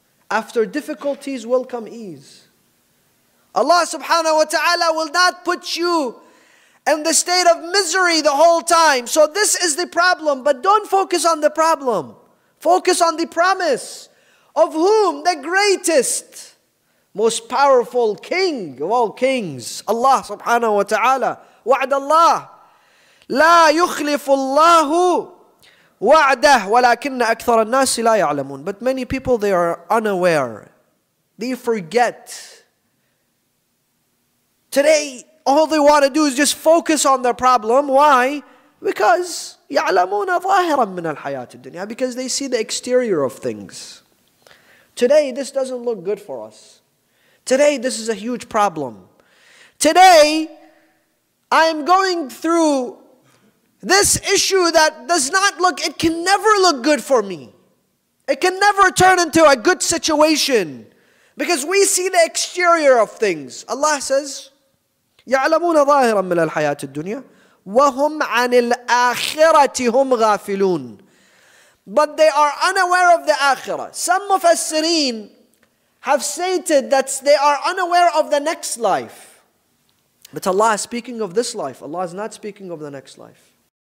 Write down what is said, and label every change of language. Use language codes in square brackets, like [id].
[en] After difficulties will come ease. Allah subhanahu wa ta'ala will not put you in the state of misery the whole time. So this is the problem. But don't focus on the problem. Focus on the promise. Of whom? The greatest, most powerful king of all kings. Allah subhanahu wa ta'ala. Wa'ad Allah. [ar] لا يخلف الله وعده ولكن أكثر الناس لا يعلمون. [en] But many people, they are unaware. They forget. Today, all they want to do is just focus on their problem. Why? Because [ar] يعلمون ظاهرا من الحياة الدنيا. [en] Because they see the exterior of things. Today, this doesn't look good for us. Today, this is a huge problem. Today, I'm going through this issue that does not look, it can never look good for me. It can never turn into a good situation. Because we see the exterior of things. Allah says, [ar] يَعْلَمُونَ ظَاهِرًا مِنَ الْحَيَاةِ الدُّنْيَا وَهُمْ عَنِ الْآخِرَةِ هُمْ غَافِلُونَ. [en] But they are unaware of the Akhirah. Some Mufassireen have stated that they are unaware of the next life. But Allah is speaking of this life. Allah is not speaking of the next life.